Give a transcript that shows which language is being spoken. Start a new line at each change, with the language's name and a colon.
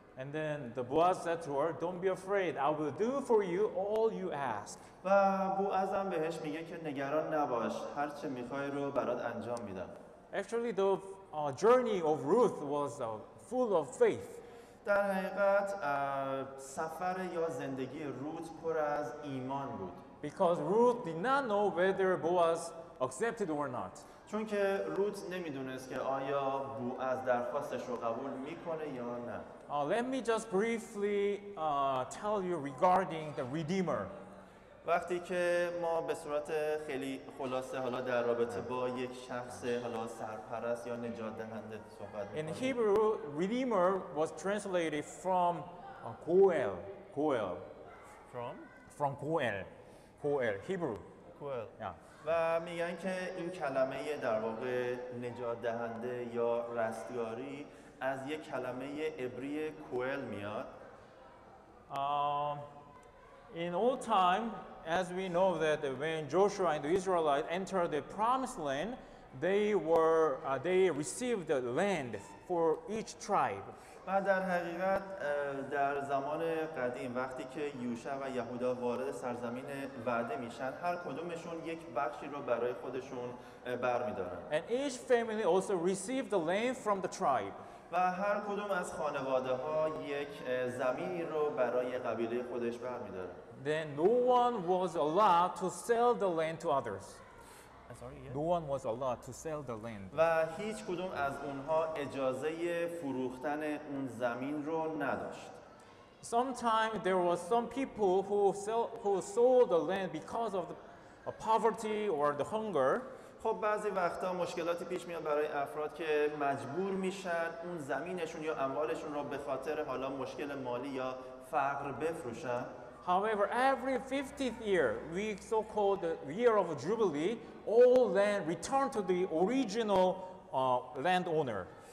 English: And then the Boaz said to her, "Don't be afraid. I will do for you all you ask."
Persian: و بوعز هم بهش میگه که نگران نباش. هر چه میخوای رو برات انجام میدم.
English: Actually, the journey of Ruth was full of faith.
Persian: در حقیقت سفر یا زندگی روت پر از ایمان بود.
English: Because Ruth did not know whether Boaz accepted or not.
Persian: چون که روت نمیدونست که آیا بوعز درخواستش رو قبول میکنه یا نه.
English: Let me just briefly tell you regarding the Redeemer.
Persian: وقتی که ما به صورت خیلی خلاصه حالا در رابطه با یک شخص حالا سرپرست یا نجات دهنده صحبت می‌کنیم.
English: In Hebrew, Redeemer was translated from Goel. Goel. From? From Goel. Goel. Hebrew. Goel. Yeah.
Persian: و میگن که این کلمه در واقع نجات دهنده یا رستگاری از یک کلمه عبری کوئل میاد.
English: In old time, as we know that when Joshua and the Israelites entered the promised land, they received the land for each tribe.
Persian: بعد در حقیقت در زمان قدیم وقتی که یوشع و یهودا وارد سرزمین وعده میشن هر کدومشون یک بخشی رو برای خودشون برمی‌دارن.
English: And each family also received the land from the tribe.
Persian: و هر کدوم از خانواده ها یک زمینی رو برای قبیله خودش برمی‌داره.
English: Then no one was allowed to sell the land to others. No one was allowed to sell the land.
Persian: و هیچ کدوم از اونها اجازه فروختن اون زمین رو نداشت.
English: Sometimes there was some people who sold the land because of the poverty or the hunger.
Persian: خب بعضی وقتا مشکلاتی پیش میاد برای افراد که مجبور میشن اون زمینشون یا اموالشون رو به خاطر حالا مشکل مالی یا فقر بفروشن.
English: However, every 50th year, we so-called the year of Jubilee, all land return to the original landowner.